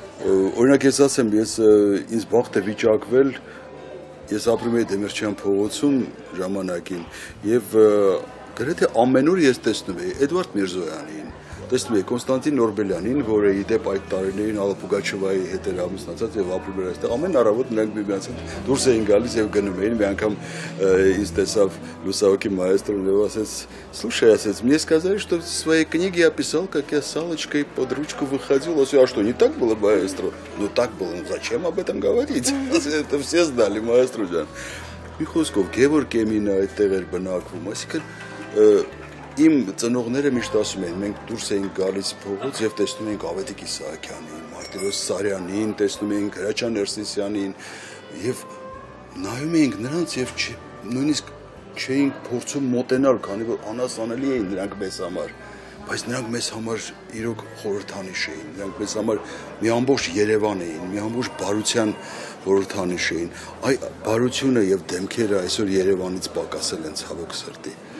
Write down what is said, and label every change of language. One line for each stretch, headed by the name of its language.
Armenian: Օրինակ ես ասեմ, ես ինձ բախտ է վիճակվել, ես ապրում էի Դեմիրճյան փողոցում ժամանակին, եւ գրեթե ամենուր ես տեսնում էի Էդվարդ Միրզոյանին, տեսնում էի Կոնստանտին Նորբելյանին, որը ի դեպ այդ տարիներին Ալապուգաչովայի հետ էր ամուսնացած եւ ապրում էր այստեղ, ամեն առավոտ նրանք միմյանց հետ դուրս էին գալիս եւ գնում էին։ Մի անգամ ինձ տեսավ Լուսաոքի մայստրոն եւ ասեց.
Russian: «Слушай,
Armenian: ասեց,
Russian: мне сказали, что в своей книге я писал, как я с Аллочкой под ручку выходил». «А что, не так было, маэстро?» «Ну так было, ну зачем об этом говорить?» «Это все знали, маэстро Джан».
Armenian: Մի խոսքով, Գևորգ Էմինը այդտեղ էր բնակվում, այսինքն իմ ծնողները միշտ ասում էին, մենք դուրս էինք գալիս փողոց եւ տեսնում էինք Ավետիք Իսահակյանին, Մարտիրոս Սարյանին, տեսնում էինք Հրաչյա Ներսիսյանին եւ նայում էինք նրանց եւ նույնիսկ չէինք փորձում մոտենալ, քանի որ անասանելի էին նրանք մեզ համար, բայց նրանք մեզ համար իրոք խորհրդանիշ էին, նրանք մեզ համար մի ամբողջ Երևան էին, մի ամբողջ բարության խորհրդանիշ էին։ Այ բարությունը եւ դեմքերը այսօր Երևանից պակասել են ցավոք սրտի։